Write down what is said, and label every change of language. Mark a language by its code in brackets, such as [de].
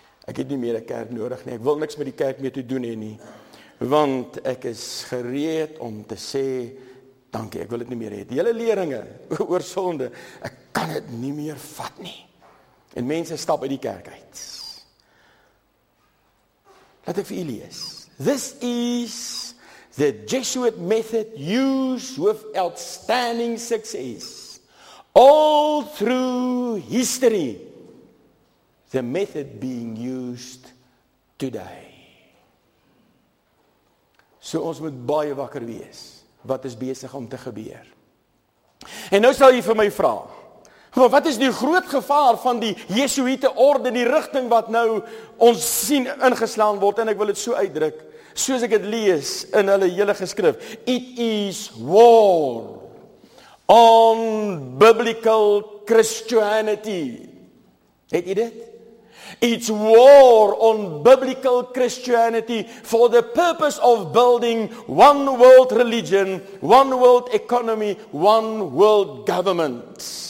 [af] Ek het nie meer een kerk nodig nie, ek wil niks met die kerk mee te doen nie, want ek is gereed om te sê, dankie, ek wil het nie meer het. Die hele leringe oor sonde, ek kan het nie meer vat nie. En mense stap uit die kerk uit. Laat ek vir u lees. [en] This is the Jesuit method used with outstanding success all through history. The method being used today. [af] So ons moet baie wakker wees. Wat is besig om te gebeur? En nou sal jy vir my vra, wat is die groot gevaar van die Jesuïte orde, die richting wat nou ons sien ingeslaan word, en ek wil het so uitdruk, soos ek het lees in hulle hele geskrif, [en] it is war on biblical Christianity. [af] Het jy dit? [en] It's war on biblical Christianity for the purpose of building one world religion, one world economy, one world government.